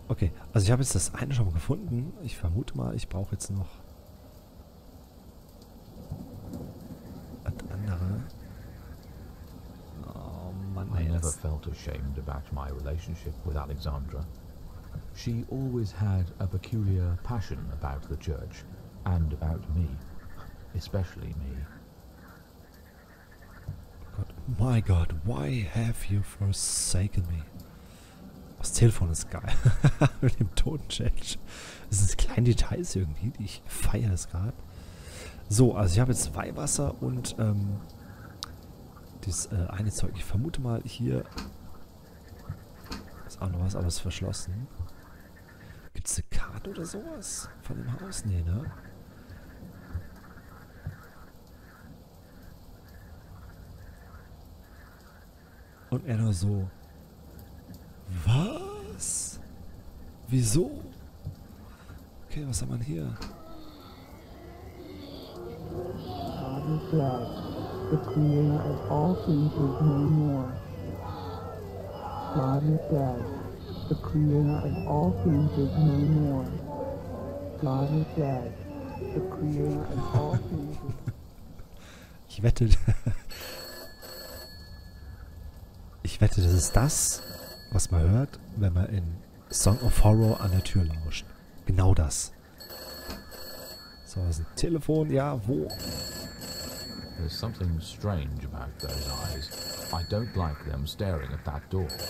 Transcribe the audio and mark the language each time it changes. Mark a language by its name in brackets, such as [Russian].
[German] Okay, also ich habe jetzt das eine schon mal gefunden. Ich vermute mal, ich brauche jetzt noch das andere. Oh Mann, [English] I never felt ashamed about my relationship with Alexandra. She always had a peculiar passion about the church and about me, especially me. God. My God, why have you forsaken me? [German] Das Telefon ist geil. Mit dem Tonchange. Das sind kleine Details irgendwie, die ich feiere es gerade. So, also ich habe jetzt Weihwasser und das eine Zeug. Ich vermute mal hier ist auch noch was, aber es ist verschlossen. Gibt es eine Karte oder sowas von dem Haus? Nee, ne? Und er nur so. Was? Wieso? Okay, was hat man hier? [English] Father God, the creator of all things is no more. Father God, the creator of all things is no more. Father God, the creator of all things. [German] Ich wette. Ich wette, das ist das, was man hört, wenn man in Song of Horror an der Tür lauscht. Genau das. So, das ist ein Telefon, ja, wo? [English] There's something strange about those eyes. I don't like them staring at that door.